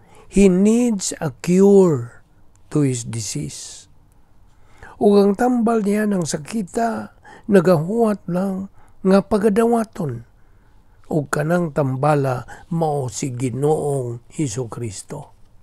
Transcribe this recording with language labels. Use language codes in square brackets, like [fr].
[en] He needs a cure to his disease. [ceb] Ug ang tambal niya ng sakita, nagahuat lang nga pagadawaton. Ug kanang tambala mao si Ginoong Hesukristo.